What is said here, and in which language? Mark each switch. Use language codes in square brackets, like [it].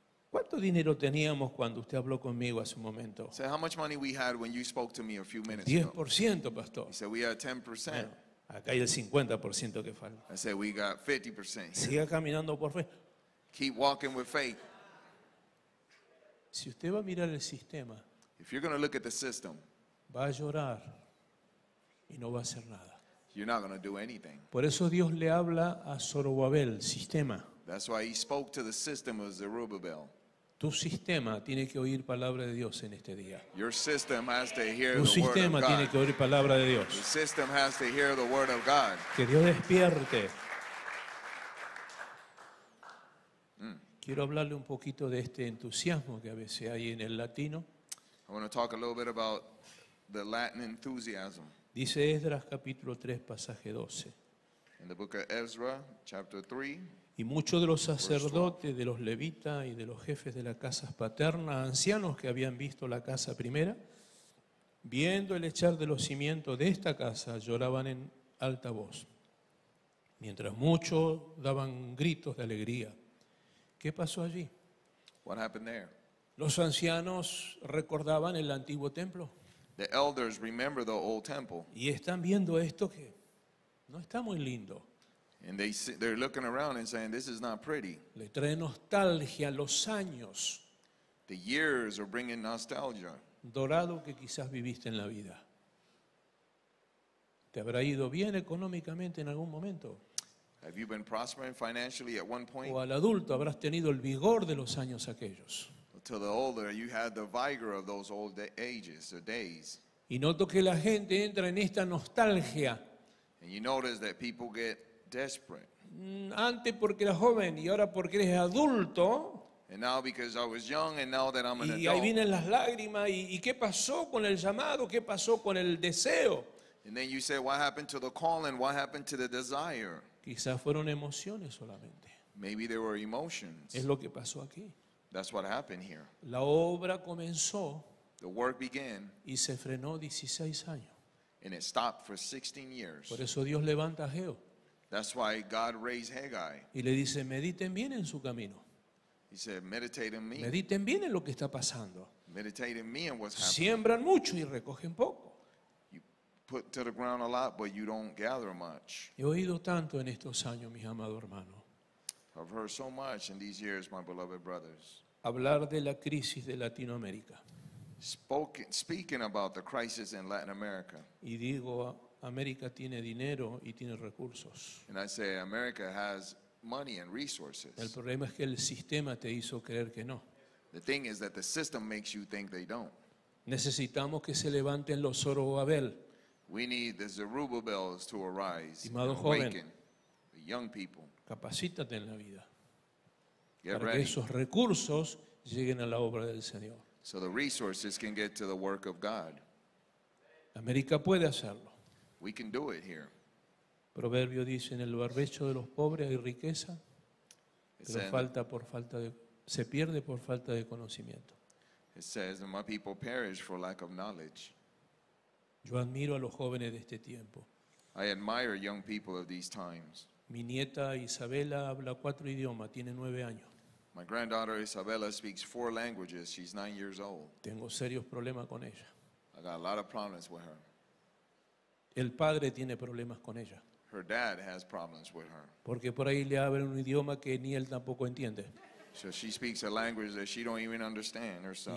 [es] ¿Cuánto dinero teníamos cuando usted habló conmigo hace un momento? [en] Say, how much money we had when you spoke to me a few minutes 10%, ago? 10%, pastor. He said, we had 10%. [es] Bueno, acá hay el 50% que falta. [en] I said, we got 50%. [es] Siga caminando por fe. [en] Keep walking with faith. [es] Si usted va a mirar el sistema, [en] if you're going to look at the system, [es] va a llorar y no va a hacer nada. [en] You're not going to do anything. [es] Por eso Dios le habla a Zerubbabel, sistema. [en] That's why he spoke to the system of Zerubbabel. [es] Tu sistema tiene que oír palabra de Dios en este día. [en] Your system has to hear the word of God. [es] Tu sistema tiene que oír palabra de Dios. [en] Your system has to hear the word of God. [es] Que Dios despierte. Quiero hablarle un poquito de este entusiasmo que a veces hay en el latino. [en] I want to talk a little bit about the Latin enthusiasm. [es] Dice Esdras capítulo 3 pasaje 12. [en] In the book of Ezra chapter 3. [es] Y muchos de los sacerdotes, de los levitas y de los jefes de las casas paternas, ancianos que habían visto la casa primera, viendo el echar de los cimientos de esta casa, lloraban en alta voz, mientras muchos daban gritos de alegría. ¿Qué pasó allí? [en] What happened there? [es] Los ancianos recordaban el antiguo templo. [en] The elders remember the old temple. [es] Y están viendo esto que no está muy lindo. [en] And they're looking around and saying, this is not pretty. [es] Le trae nostalgia los años. [en] the years are bringing nostalgia. [es] Dorado que quizás viviste en la vida. ¿Te habrá ido bien económicamente en algún momento? [en] Have you been prospering financially at one point? [es] O al adulto habrás tenido el vigor de los años aquellos. [en] To the older, you had the vigor of those old ages or days. [es] Y noto que la gente entra en esta nostalgia. [en] And you notice that people get desperate. [es] Antes porque eras joven y ahora porque eres adulto. [en] And now because I was young and now that I'm an adult. [es] Y ahí vienen las lágrimas y ¿qué pasó con el llamado? ¿Qué pasó con el deseo? [en] And then you say, what happened to the calling? What happened to the desire? [es] Quizás fueron emociones solamente. [en] Maybe there were emotions. [es] Es lo que pasó aquí. [en] That's what happened here. [es] La obra comenzó. [en] The work began. [es] Y se frenó 16 años. [en] And it stopped for 16 years. [es] Por eso Dios levanta a Geo. [en] That's why God raised Haggai. [es] Y le dice, mediten bien en su camino. [en] He said, meditate in me. [es] Mediten bien en lo que está pasando. [en] Meditate in me and what's happening. [es] Siembran mucho y recogen poco. [en] You put to the ground a lot, but you don't gather much. [es] He oído tanto en estos años, mis amados hermanos. [en] I've heard so much in these years, my beloved brothers. [es] Hablar de la crisis de Latinoamérica. [en] Speaking about the crisis in Latin America. [es] Y digo, América tiene dinero y tiene recursos. [en] And I say, America has money and resources. [es] El problema es que el sistema te hizo creer que no. [en] The thing is that the system makes you think they don't. [es] Necesitamos que se levanten los Zerubbabel. [en] We need the Zerubbabels to arise. [es] Estimado [en] and [es] joven, [en] awaken the young people. [es] Capacítate en la vida. [en] Get [es] para [en] ready. [es] Que esos recursos lleguen a la obra del Señor. [en] So the resources can get to the work of God. [es] América puede hacerlo. [en] We can do it here. [es] Proverbio dice, en el barbecho de los pobres hay riqueza, pero se pierde por falta de conocimiento. [en] It says that my people perish for lack of knowledge. [es] Yo admiro a los jóvenes de este tiempo. [en] I admire young people of these times. [es] Mi nieta Isabela habla 4 idiomas, tiene 9 años. [en] My granddaughter Isabella speaks 4 languages, she's 9 years old. [es] Tengo serios problemas con ella. [en] I got a lot of problems with her. [es] El padre tiene problemas con ella. [en] Her dad has problems with her. [es] Porque por ahí le habla un idioma que ni él tampoco entiende. [en] So she speaks a language that she don't even understand herself.